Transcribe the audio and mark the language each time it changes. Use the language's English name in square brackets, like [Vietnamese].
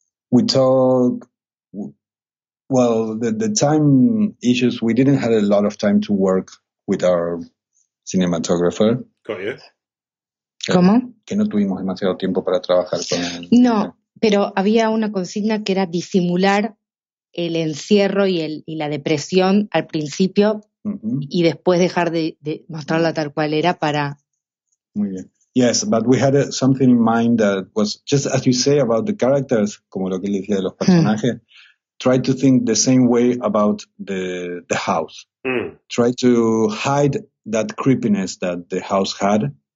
[English] We talk, well, the time issues, we didn't have a lot of time to work with our cinematographer. Got you. [Spanish] ¿Cómo? Que no tuvimos demasiado tiempo para trabajar con él. No, pero había una consigna que era disimular el encierro y la depresión al principio. Mm-hmm. Y después dejar de mostrarla tal cual era para... Muy bien. [English] Yes, but we had something in mind that was, just as you say about the characters, [Spanish] como lo que le decía de los personajes, [English] try to think the same way about the house. Try to hide that creepiness that the house had.